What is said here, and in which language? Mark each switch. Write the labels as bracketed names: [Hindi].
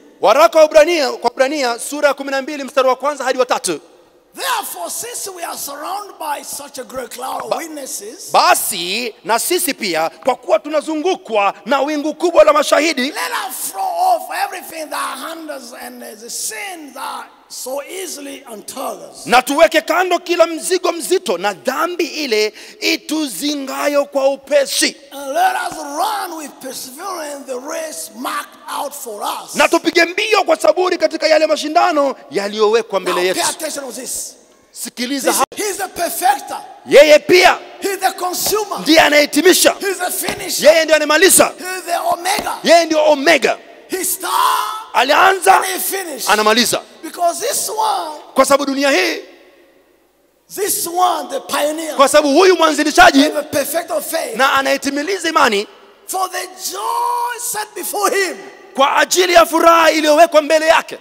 [Swahili] Waraka wa Ibrania, kwa Ibrania sura ya 12 mstari wa kwanza hadi wa 3. [English] Therefore, since we are surrounded by such a great cloud of witnesses, [Swahili] basi na sisi pia kwa kuwa tunazungukwa na wingu kubwa la mashahidi, [English] let us throw off everything that hinders and the sin that so easily entangles, [Swahili] na tuweke kando kila mzigo mzito na dhambi ile ituzingayo kwa upesi, [English] and let us run with perseverance the race marked out for us, [Swahili] na tupige mbio kwa saburi katika yale mashindano yaliyowekwa mbele yetu. [English] Pay attention to this. [Swahili] Sikiliza. [English] He's the perfecter. [Swahili] Yeye pia. [English] He's the consumer. [Swahili] Ndiye anayetimisha. [English] He's the finisher. [Swahili] Yeye ndiye anemaliza. [English] He's the omega. [Swahili] Yeye ndiye omega. [English] He start. [Swahili] Alianza. [English] And he finish. [Swahili] Anamaliza. [English] Because this one, [Swahili] kwa sababu dunia hii, [English] this one the pioneer, [Swahili] kwa sababu huyu mwanzilishaji, [English] the perfect of faith, [Swahili] na anayetimiliza imani, [English] for the joy set before him, [Swahili] kwa ajili ya furaha iliyowekwa mbele yake,